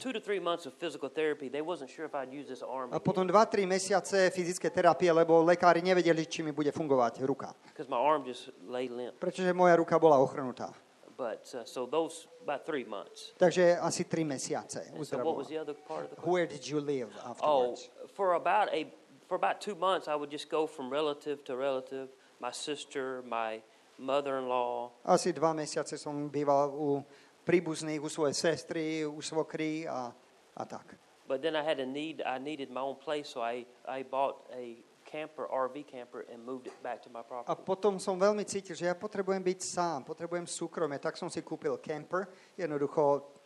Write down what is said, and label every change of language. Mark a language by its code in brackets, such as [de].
[en] 2-3 months of physical therapy. They wasn't sure if I'd use this arm. [sk] A potom 2-3 mesiace fyzické terapie, lebo lekári nevedeli, či mi bude fungovať ruka. [en] Because my arm just lay limp. [sk] Pretože moja ruka bola ochrnutá. [en] But so those about 3 months. [sk] Takže asi 3 mesiace uzdravoval. [en] So what was the other part of the question? Where did you live afterwards? Oh, for about 2 months I would just go from relative to relative, my sister, my mother-in-law. [sk] Asi 2 mesiace som býval u príbuzných, u svojej sestry, u svokry a tak. [en] But then I had a need, I needed my own place, so I bought a camper, RV camper and moved it back to my property. [sk] A potom som veľmi cítil, že ja potrebujem byť sám, potrebujem súkromie, tak som si kúpil camper, jednoducho